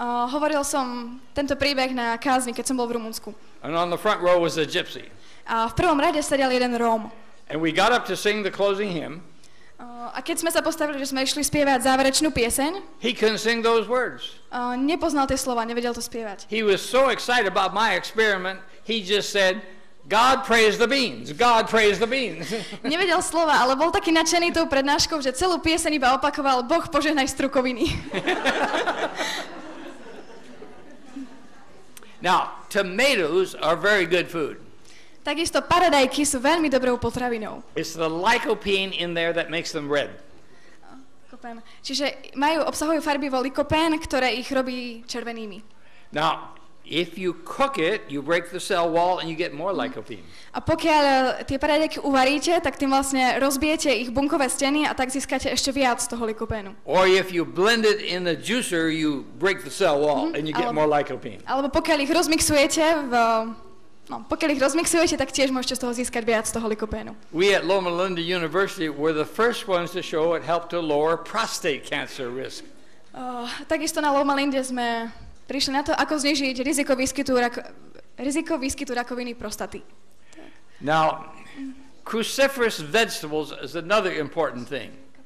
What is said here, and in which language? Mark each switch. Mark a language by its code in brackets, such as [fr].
[sk] Hovoril som tento príbeh na kázni, keď som bol v Rumunsku. [en] And on the front row was a gypsy. [sk] A v prvom rade sedel jeden Róm. [en] And we got up to sing the closing hymn. [sk] A keď sme sa postavili, že sme išli spievať záverečnú pieseň, [en] he couldn't sing those words. [sk] Nepoznal tie slova, nevedel to spievať. [en] He was so excited about my experiment, he just said, God praise the beans, God praise the beans. [sk] Nevedel slova, ale bol taký nadšený tou prednáškou, že celú pieseň iba opakoval, Boh požehnaj strukoviny. [en] Now, tomatoes are very good food. [sk] Takisto paradajky sú veľmi dobrou potravinou. [en] It's the lycopene in there that makes them red. [sk] Čiže majú obsahujú farbivo lycopene, ktoré ich robí červenými. [en] Now, if you cook it, you break the cell wall and you get more lycopene. [sk] A pokiaľ tie paradajky uvaríte, tak tým vlastne rozbijete ich bunkové steny a tak získate ešte viac toho lycopenu. [en] Or if you blend it in the juicer, you break the cell wall and you get more lycopene. [sk] Alebo pokiaľ ich rozmixujete v pokiaľ ich rozmixujete, tak tiež môžete z toho získať viac z toho lycopenu. [en] We at Loma Linda University were the first ones to show it helped to lower prostate cancer risk. [sk] Takisto na Loma Linde sme prišli na to, ako znižiť riziko výskytu rakoviny prostaty. [en] Now, cruciferous vegetables is another important thing.